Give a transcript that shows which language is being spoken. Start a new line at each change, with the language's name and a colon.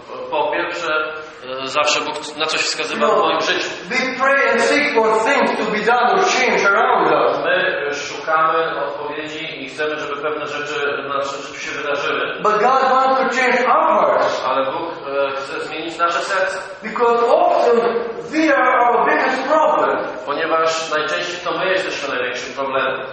Polish: Po pierwsze, zawsze Bóg na coś wskazywał w moim życiu.
English: We pray and seek for things to be done or change around us.
Polish: My szukamy odpowiedzi i chcemy, żeby pewne rzeczy w naszym życiu się wydarzyły.
English: But God wants to change our hearts.
Polish: Ale Bóg chce zmienić nasze serce.
English: Because often we are our biggest problem.
Polish: Ponieważ najczęściej to my jesteśmy największym problemem.